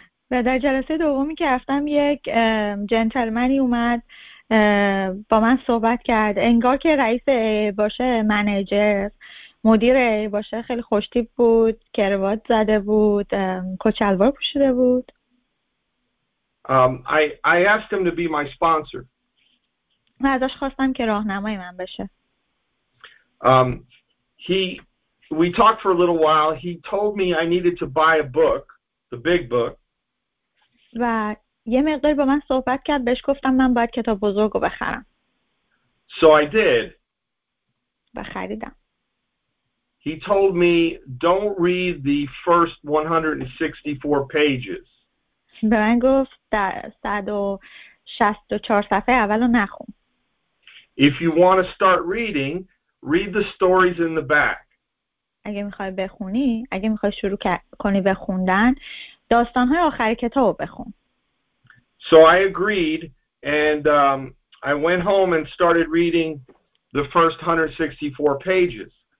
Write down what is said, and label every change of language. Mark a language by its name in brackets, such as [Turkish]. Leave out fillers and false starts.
[Persian] و در جلسه دومی که رفتم یک جنتلمنی اومد با من صحبت کرد. انگار که رئیس AA باشه، منیجر. مدیر باشه، خیلی خوشتیپ بود، کروات زده بود، کچلوار پوشیده بود. [English] I asked him to be my sponsor. [Persian] من ازش خواستم که راهنمای من بشه. [English] We talked for a little while. He told me I needed to buy a book, the big book. [Persian] و یه مقدار با من صحبت کرد. بهش گفتم من باید کتاب بزرگو بخرم. [English] So I did. [Persian] و خریدم. [English] He told me, don't read the first 164 pages. [Persian] به من گفت 164 صفحه اولو نخون. [English] If you want to start reading, read the stories in the back. [Persian] اگه میخوای بخونی، اگه میخوای شروع کنی به خوندن، داستان‌های آخر کتابو بخون. [English] So I agreed and I went home and started reading the first 164 pages.